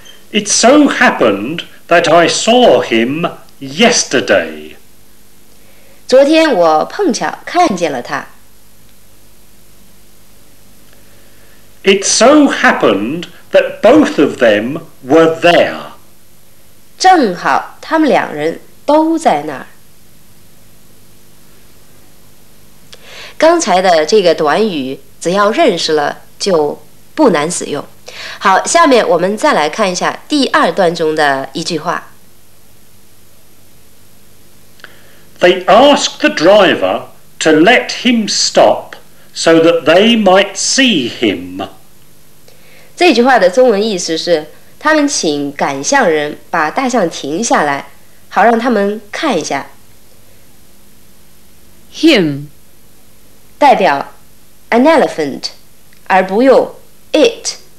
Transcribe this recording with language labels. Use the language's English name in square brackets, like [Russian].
[English] It so happened that I saw him yesterday. [Chinese] 昨天我碰巧看见了他。 [English] It so happened that both of them were there. [Chinese] 正好他们两人都在那儿。刚才的这个短语只要认识了就不难使用。好，下面我们再来看一下第二段中的一句话。 [English] They asked the driver to let him stop so that they might see him. [Chinese] 这句话的中文意思是，他们请赶象人把大象停下来，好让他们看一下。 [English] Him [Chinese] 代表 [English] an elephant, [Chinese] 而不用 [English] it.